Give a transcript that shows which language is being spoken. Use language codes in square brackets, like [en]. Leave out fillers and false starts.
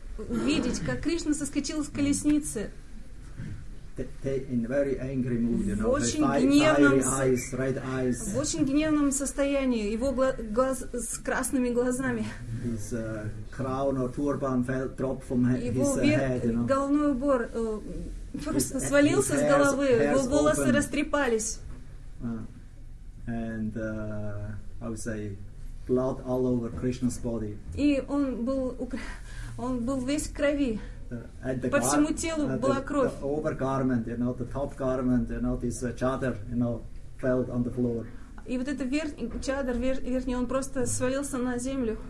[ru] Увидеть, как Кришна соскочил с колесницы. [en] In very angry mood, you know, [ru] в очень гневном состоянии, его глаз с красными глазами. [en] His crown or turban fell drop from his head, you know. [ru] Его головной убор просто свалился с головы, его волосы [en] opened. [ru] Растрепались. [en] And I would say blood all over Krishna's body. [ru] И он был весь в крови. По всему телу была кровь. [en] The overgarment, you know, the top garment, you know, this chadar, you know, fell on the floor. [ru] И вот этот чадар верхний, он просто свалился на землю.